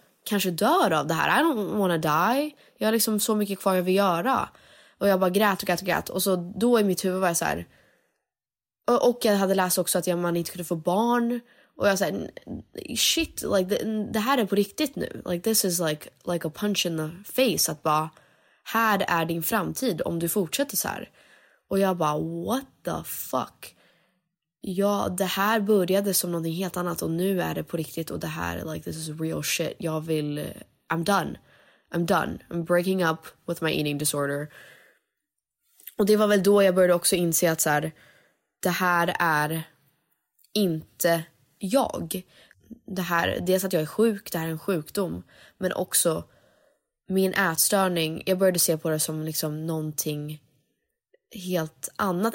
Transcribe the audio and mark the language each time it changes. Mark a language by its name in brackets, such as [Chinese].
[Swedish] kanske dör av det här. [English] I don't wanna die. [Swedish] Jag har liksom så mycket kvar jag vill göra. Och jag bara grät och grät och grät. Och så då i mitt huvud var jag så här. Och jag hade läst också att man inte kunde få barn. Och jag sa, [English] shit, like, [Swedish] det här är på riktigt nu. [English] Like, this is like a punch in the face. [Swedish] Att bara, här är din framtid om du fortsätter så här. Och jag bara, [English] what the fuck? [Swedish] Ja, det här började som någonting helt annat. Och nu är det på riktigt. Och det här, [English] like, this is real shit. [Swedish] Jag vill, [English] I'm done. I'm breaking up with my eating disorder. [Swedish] Och det var väl då jag började också inse att så här, det här är inte jag. Det här, dels att jag är sjuk, det här är en sjukdom. Men också min ätstörning. Jag började se på det som liksom någonting helt annat.